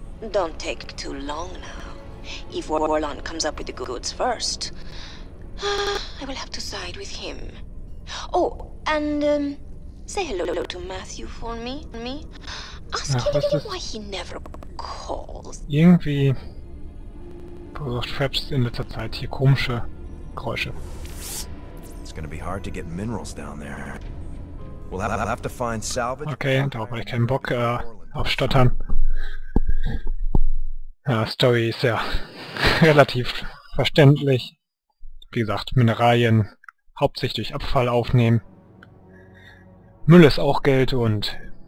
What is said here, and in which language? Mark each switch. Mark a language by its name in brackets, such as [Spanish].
[English] Don't take too long now. If Orlan comes up with the goods first, I will have to side with him. Oh, and say hello to Matthew for me. Ask him why he never calls. [German] Irgendwie braucht Fraps in letzter Zeit hier komische Geräusche. [English] It's gonna be hard to get minerals down there. We'll have to find salvage. [German] Okay, darauf habe ich keinen Bock auf Stottern. Ja, Story ist ja relativ verständlich. Wie gesagt, Mineralien hauptsächlich Abfall aufnehmen. Müll ist auch Geld und...